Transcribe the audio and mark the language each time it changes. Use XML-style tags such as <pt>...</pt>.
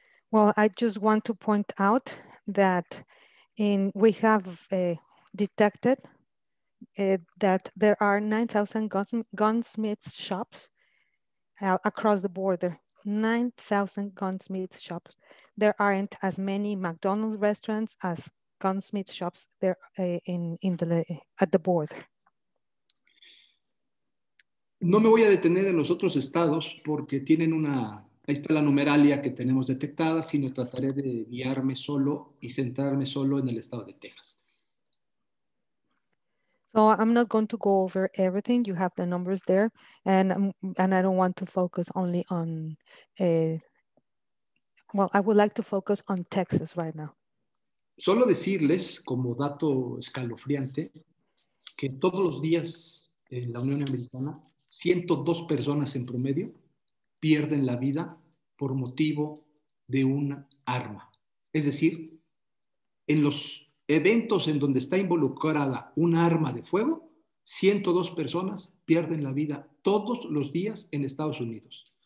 <en>Well, I just want to point out that we have detected that there are 9,000 gunsmith shops across the border. 9,000 gunsmith shops. There aren't as many McDonald's restaurants as gunsmith shops there at the border.</en> <es>No me voy a detener en los otros estados porque tienen una. Ahí está la numeralia que tenemos detectada, sino trataré de guiarme solo y centrarme solo en el estado de Texas.</es> <en>So I'm not going to go over everything. You have the numbers there, and I don't want to focus only on. I would like to focus on Texas right now.</en> <es>Solo decirles como dato escalofriante que todos los días en la Unión Americana 102 personas en promedio pierden la vida por motivo de una arma. Es decir, en los eventos en donde está involucrada un arma de fuego, 102 personas pierden la vida todos los días en Estados Unidos.</es>